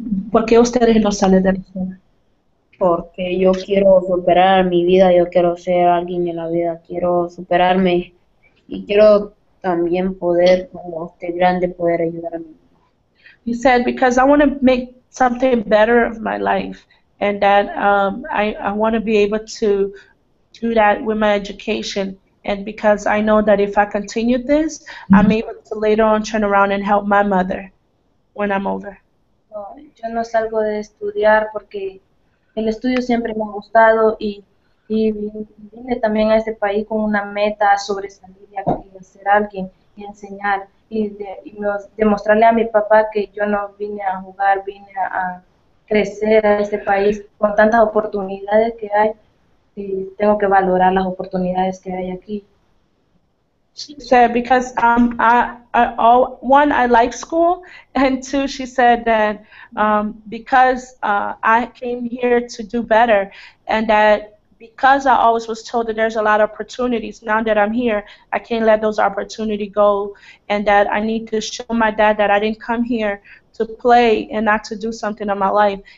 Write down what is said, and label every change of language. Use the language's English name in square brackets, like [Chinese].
[Spanish] ¿Por qué ustedes no salen de la escuela? Porque yo quiero superar mi vida, yo quiero ser alguien en la vida, quiero superarme y quiero también poder, como este grande, poder ayudar a mi vida. [English] He said, because I want to make something better of my life and that I want to be able to do that with my education. And because I know that if I continue this, I'm able to later on turn around and help my mother when I'm older. [Spanish] No, yo no salgo de estudiar porque el estudio siempre me ha gustado y vine también a este país con una meta sobresalir y hacer alguien y enseñar y demostrarle a mi papá que yo no vine a jugar, vine a crecer a este país con tantas oportunidades que hay. Y tengo que valorar las oportunidades que hay aquí. [English] She said, because I like school, and two, she said that because I came here to do better, and that because I always was told that there's a lot of opportunities, now that I'm here, I can't let those opportunities go, and that I need to show my dad that I didn't come here to play and not to do something in my life.